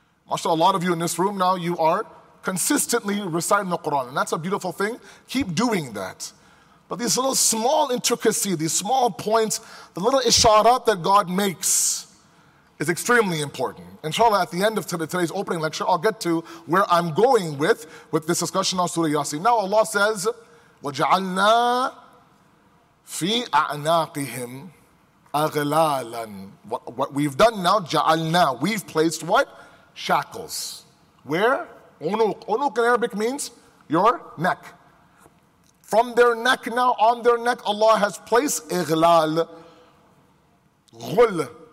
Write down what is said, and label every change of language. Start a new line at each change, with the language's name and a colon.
English: MashaAllah, a lot of you in this room now, you are consistently reciting the Quran, and that's a beautiful thing. Keep doing that. But these little small intricacy, these small points, the little isharat that God makes, is extremely important. Inshallah, at the end of today's opening lecture, I'll get to where I'm going with this discussion on Surah Yasin. Now Allah says,
Arabic: وَجَعَلْنَا فِي أَعْنَاقِهِمْ أَغْلَالًا.
English: What we've done now, جَعَلْنَا, we've placed what? Shackles. Where? عُنُوق. عُنُوق in Arabic means your neck. From their neck now, on their neck, Allah has placed إغلال.
Arabic: غُل.